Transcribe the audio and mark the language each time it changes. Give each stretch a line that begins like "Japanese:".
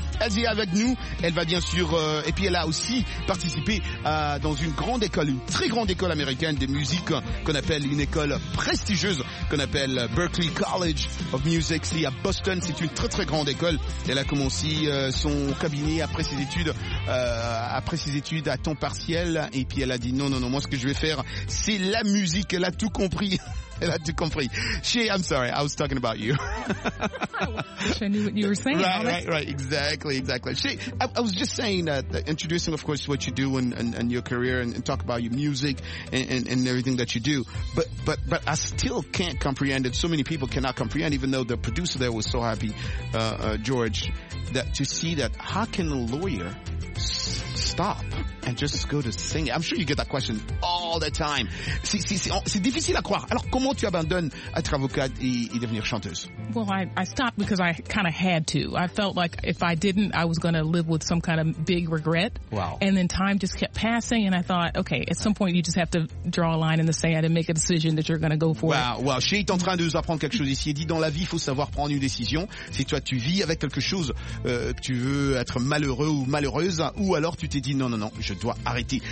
French: Elle est avec nous, elle va bien sûr, et puis elle a aussi participé dans une grande école, une très grande école américaine de musique qu'on appelle une école prestigieuse, qu'on appelle Berklee College of Music. C'est à Boston, c'est une très très grande école. Elle a commencé son cabinet après ses études à temps partiel, et puis elle a dit non, moi ce que je vais faire c'est la musique. Elle a tout compris.
English: Shay, I'm sorry, I was talking about you. Which I knew what you were saying. Right, exactly. Shay, I was just saying that, introducing, of course, what you do and your career and talk about your music and everything that you do. But I still can't comprehend it. So many people cannot comprehend, even though the producer there was so happy, George, that to see that, how can a lawyer stop and just go to sing? I'm sure you get that question all the time.
French: C'est difficile à croire. Alors, comment tu abandonnes être avocate et devenir chanteuse?
English: Well, I stopped because I kind of had to. I felt like if I didn't, I was going to live with some kind of big regret. Wow. And then time just kept passing, and I thought, okay, at some point, you just have to draw a line in the sand and make a decision that you're going to go for. Wow.
French: Shay est en train de nous apprendre quelque chose ici. Il dit, dans la vie, il faut savoir prendre une décision. Si toi, tu vis avec quelque chose, que tu veux être malheureux ou malheureuse, ou alors tu t'es dit, non, je dois arrêter.